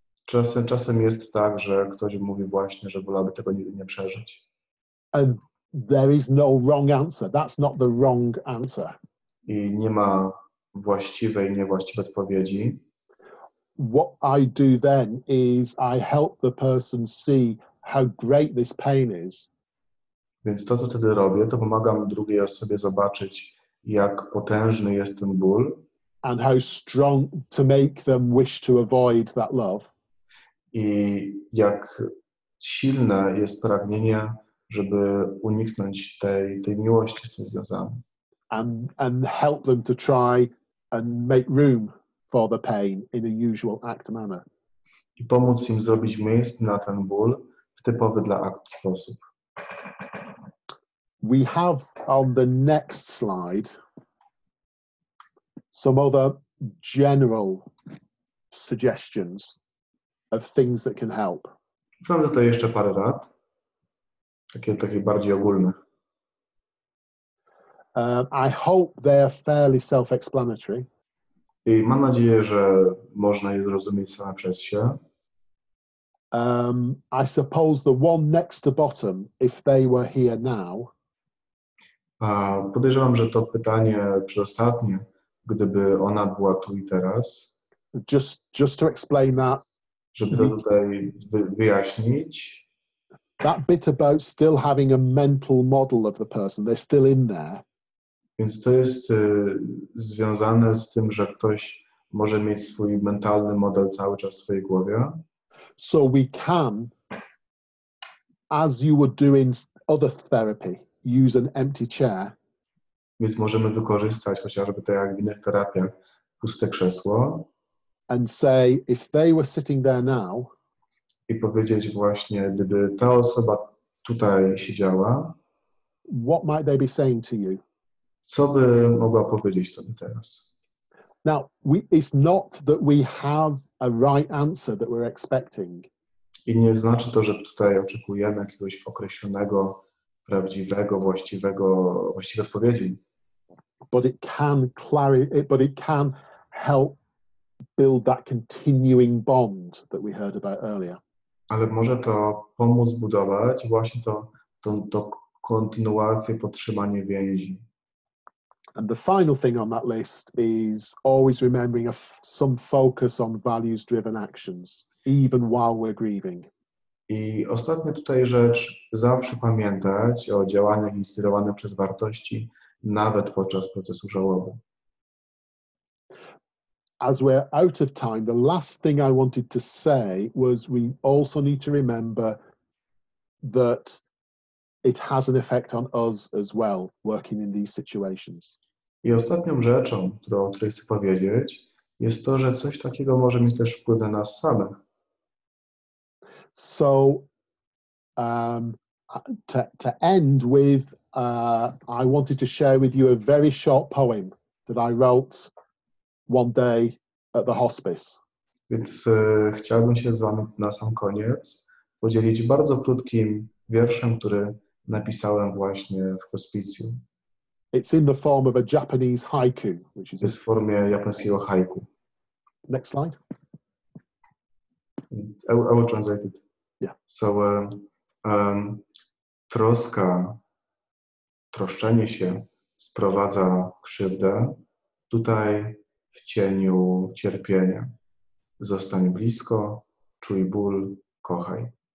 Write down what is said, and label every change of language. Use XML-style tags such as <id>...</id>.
<pl>Czasem jest tak, że ktoś mówi właśnie, że wolałby tego nigdy nie przeżyć.</pl> <en>And there is no wrong answer. That's not the wrong answer.</en> <pl>I nie ma właściwej, niewłaściwej odpowiedzi.</pl> <en>What I do then is I help the person see how great this pain is.</en> <pl>Więc to, co wtedy robię, to pomagam drugiej osobie zobaczyć, jak potężny jest ten ból.</pl> <en>And how strong to make them wish to avoid that love.</en> <pl>I jak silne jest pragnienie, żeby uniknąć tej miłości z tym związanej.</pl> <en>And help them to try and make room for the pain in a usual ACT manner.</en> <pl>I pomóc im zrobić miejsce na ten ból w typowy dla ACT sposób.</pl> <en>We have on the next slide some other general suggestions of things that can help.</en> <pl>Mam tutaj jeszcze parę rad, takie bardziej ogólne.</pl> <en>I hope they're fairly self-explanatory.</en> <pl>I mam nadzieję, że można je zrozumieć same przez się.</pl> <en>I suppose the one next to bottom, if they were here now.</en> <pl>Podejrzewam, że to pytanie przedostatnie, gdyby ona była tu i teraz.</pl> <en>Just to explain that.</en> <pl>Żeby to tutaj wyjaśnić.</pl> <en>That bit about still having a mental model of the person, they're still in there.</en> <pl>Więc to jest związane z tym, że ktoś może mieć swój mentalny model cały czas w swojej głowie.</pl> <en>So we can, as you would do in other therapy, use an empty chair.</en> <pl>Więc możemy wykorzystać chociażby to jak w innych terapiach, puste krzesło.</pl> <en>And say, if they were sitting there now,</en> <pl>i powiedzieć właśnie, gdyby ta osoba tutaj siedziała,</pl> <en>what might they be saying to you?</en> <pl>Co by mogła powiedzieć tobie teraz?</pl> <en>Now, it's not that we have a right answer that we're expecting.</en> <pl>I nie znaczy to, że tutaj oczekujemy jakiegoś określonego, prawdziwego, właściwej odpowiedzi.</pl> <en>But it can help build that continuing bond that we heard about earlier.</en> <pl>Ale może to pomóc budować właśnie to kontynuację, podtrzymanie więzi.</pl> <en>And the final thing on that list is always remembering some focus on values-driven actions, even while we're grieving.</en> <pl>I ostatnia tutaj rzecz, zawsze pamiętać o działaniach inspirowanych przez wartości, nawet podczas procesu żałoby.</pl> <en>As we're out of time, the last thing I wanted to say was we also need to remember that it has an effect on us as well, working in these situations.</en> <pl>I ostatnią rzeczą, o której chcę powiedzieć, jest to, że coś takiego może mieć też wpływ na nas samych.</pl> <en>So, to end with, I wanted to share with you a very short poem that I wrote one day at the hospice.</en> <pl>Więc chciałbym się z wami na sam koniec podzielić bardzo krótkim wierszem, który napisałem właśnie w hospicjum.</pl> <en>It's in the form of a Japanese haiku, which is</en> <pl>w formie japońskiego haiku.</pl> <en>Next slide. I will translate it. Yeah.</en> <pl>So troska, troszczenie się sprowadza krzywdę. Tutaj w cieniu cierpienia. Zostań blisko, czuj ból, kochaj.</pl>